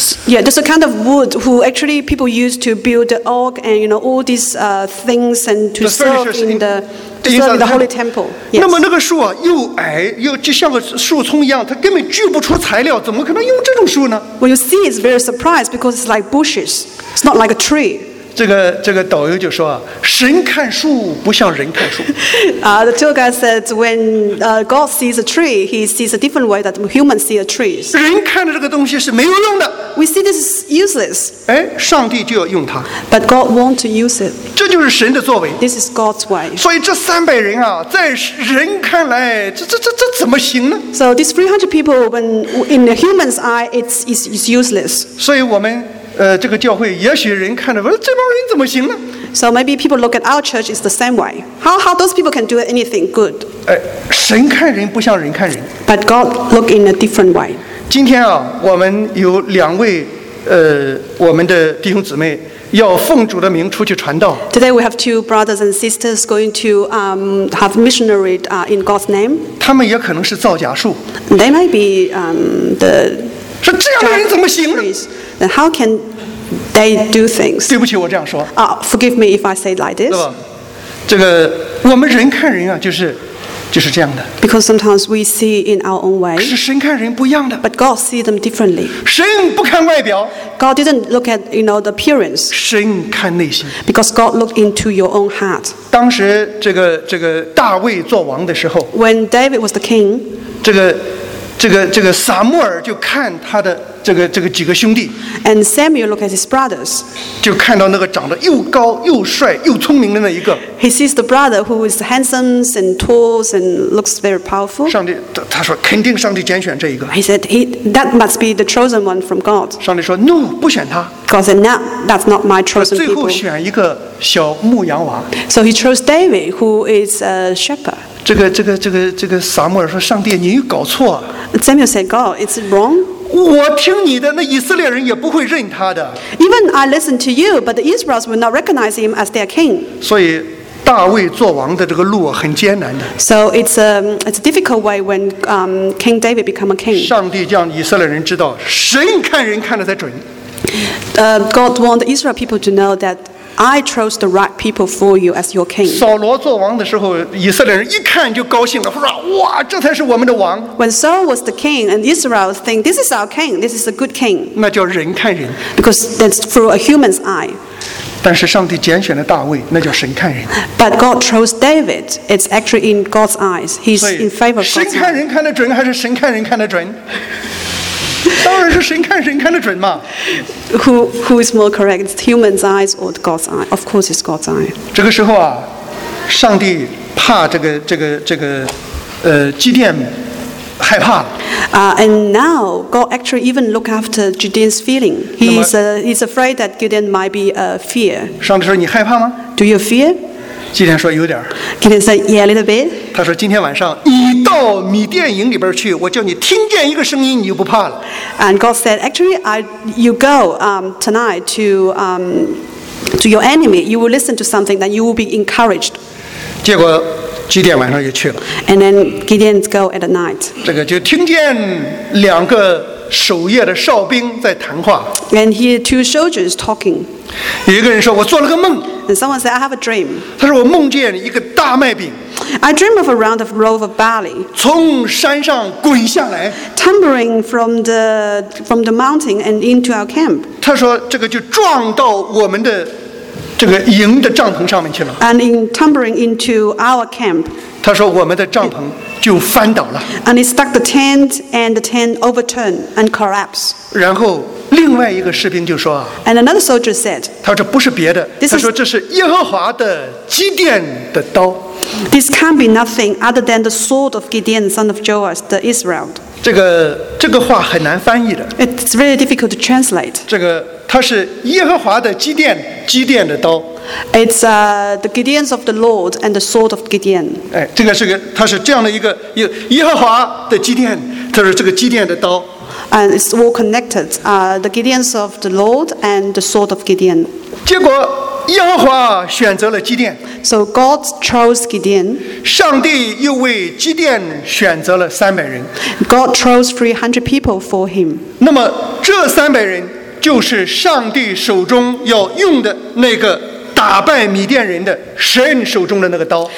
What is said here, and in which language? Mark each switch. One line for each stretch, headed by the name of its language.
English: yeah that's a kind of wood who actually people use to build the ark and you know all these things and to serve in the holy temple、yes.
Chinese: 那么那个树啊又矮又就像个树丛一样它根本锯不出材料怎么可能用这种树呢
English: well you see it's very surprised because it's like bushes it's not like a tree
Chinese: 这个导游就说啊，神看树不像人看树。
English: The tour guide said when God sees a tree, He sees a different way that humans see a tree.
Chinese: 人看的这个东西是没有用的。
English: We see this is useless.
Chinese: 哎，上帝就要用它。
English: But God want to use it.
Chinese: 这就是神的作为。
English: This is God's way.
Chinese: 所以这三百人啊，在人看来，这怎么行呢
English: ？So these 300 people, when in the human's eye, it's useless.
Chinese: 所以我们。这个教会也许人看着，这帮人怎么行呢
English: ？So maybe people look at our church is the same way. How those people can do anything good?
Chinese: 神看人不像人看人。
English: But God look in a different way.
Chinese: 今天啊，我们有两位我们的弟兄姊妹要奉主的名出去传道。
English: Today we have two brothers and sisters going to have missionary in God's name.
Chinese: 他们也可能是皂荚树。
English: They might be the
Chinese: 说这样的人怎么行呢？
English: Then how can they do things?
Chinese: 对不起，我这样说。
English: Forgive me if I say like this.
Chinese: 这个我们人看人啊，就是这样的。
English: Because sometimes we see in our own way.
Chinese: 是神看人不一样的。
English: But God see them differently.
Chinese: 神不看外表。
English: God didn't look at you know the appearance.
Chinese: 神看内心。
English: Because God looked into your own heart.
Chinese: 当时这个大卫做王的时候。
English: When David was the king.
Chinese: 这个这个撒母耳就看他的这个几个兄弟
English: ，and Samuel look at his brothers，
Chinese: 就看到那个长得又高又帅又聪明的那一个。
English: He sees the brother who is handsome and tall and looks very powerful。
Chinese: 上帝，他说肯定上帝拣选这一个。
English: He said he that must be the chosen one from God。
Chinese: 上帝说
English: no，
Chinese: 不选他。
English: God said no， that's not my chosen people。
Chinese: 最后选一个小牧羊王。
English: So he chose David who is a shepherd。
Chinese: 这个撒母耳说，上帝，你搞错。
English: Samuel said God， it's wrong。
Chinese: 我听你的，那以色列人也不会认他的。
English: Even I listen to you, but the Israelites will not recognize him as their king.
Chinese: 所以大卫做王的这个路很艰难的。
English: So it's a difficult way when King David become a king.
Chinese: 上帝叫以色列人知道，神看人看得才准。
English: God wants the Israel people to know that I chose the right people for you as your king.
Chinese: 扫罗做王的时候，以色列人一看就高兴了，说：“哇，这才是我们的王。”
English: When Saul was the king, and Israel think this is our king, this is a good king.
Chinese: 那叫人看人。
English: Because that's through a human's eye.
Chinese: 但是上帝拣选了大卫，那叫神看人。
English: But God chose David. It's actually in God's eyes. He's in favor of God.
Chinese: 神看人看得准，还是神看人看得准？当然是神看人看得准嘛。
English: Who is more correct, human's eyes or God's eye? Of course, it's God's eye.
Chinese: 这个时候啊，上帝怕这个基甸害怕。
English: And now God actually even look after Gideon's feeling. He's afraid that Gideon might be a fear.
Chinese: 上帝说你害怕吗
English: ？Do you fear?
Chinese: 基甸说有点。
English: Gideon said yeah, a little bit.
Chinese: 他说今天晚上你到米甸营里边去，我叫你听见一个声音，你就不怕了。
English: And God said, actually, you go tonight to your enemy. You will listen to something, then you will be encouraged.
Chinese: 结果基甸晚上就去了。
English: And then Gideon go at night.
Chinese: 这个就听见两个守夜的哨兵在谈话。
English: And hear two soldiers talking.
Chinese: 有一个人说，我做了个梦。
English: And someone said, I have a dream.
Chinese: 他说我梦见一个大麦饼。
English: I dream of a round of loaf of barley.
Chinese: 从山上滚下来。
English: Tumbling from the mountain and into our camp.
Chinese: 他说这个就撞到我们的这个营的帐篷上面去了。
English: And in tumbling into our camp.
Chinese: 他说我们的帐篷就翻倒了。
English: And it stuck the tent and the tent overturned and collapsed.
Chinese: 然后另外一个士兵就说啊。
English: And another soldier said.
Chinese: 他说这不是别的。他说这是耶和华的基甸的刀。
English: This can't be nothing other than the sword of Gideon, son of Joash, the Israelite.
Chinese: 这个话很难翻译的。
English: It's really difficult to translate.
Chinese: 这个它是耶和华的基甸，基甸的刀。
English: It's the Gideon's of the Lord and the sword of Gideon.
Chinese: 哎，这个是个，它是这样的一个耶和华的基甸，它是这个基甸的刀。
English: And it's all connected. The Gideon's of the Lord and the sword of Gideon.
Chinese: 结果耶和华选择了基甸。
English: So God chose Gideon.
Chinese: 上帝又为基甸选择了300人。
English: God chose 300 people for him.
Chinese: 那么这300人就是上帝手中要用的那个打败米甸人的神手中的那个刀。